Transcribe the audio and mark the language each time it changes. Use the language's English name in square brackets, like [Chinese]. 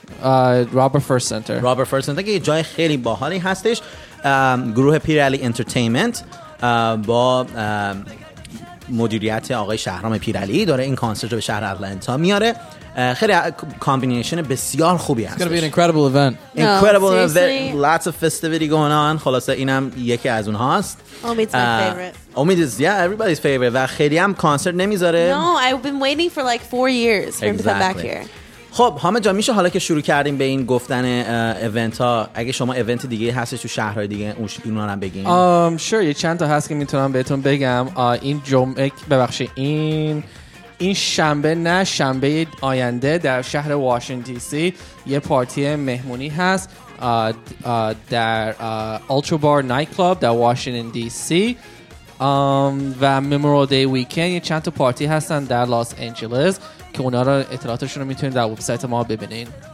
[Persian] رابرت فرست سنتر که یه جای خیلی باحالی هستش. گروه پیرعلی انترتینمنت با مدیریت آقای شهرام پیرعلی داره این کانسرت رو به شهر آتلانتا میاره خیلی کامبینیشن بسیار خوبی هست. [English] It's going to be an incredible event. Incredible event. Lots of festivity going on. [Persian] خلاصه اینم یکی از اونهاست. [English] Omid's my favorite. Omid is, yeah, everybody's favorite. [Persian] And خیلی هم کانسرت نمیذاره. [English] No, I've been waiting for like 4 years for exactly. him to come back here. [Persian] خب حامد جان میشه حالا که شروع کردیم به این گفتن ایونت ها اگه شما ایونت دیگه هستش تو شهرهای دیگه اونا رو هم بگین. Sure, یه چند تا هست که میتونم بهتون بگم. این جمعه ببخشید این شنبه نه شنبه آینده در شهر واشنگتن دی سی یه پارتی مهمونی هست در اولترا بار نایت کلاب در واشنگتن دی سی و میموریال دی ویکند یه چند تا پارتی هستن در لاس آنجلس که اونا را اطلاعاتشون رو میتونید در وبسایت ما ببینین.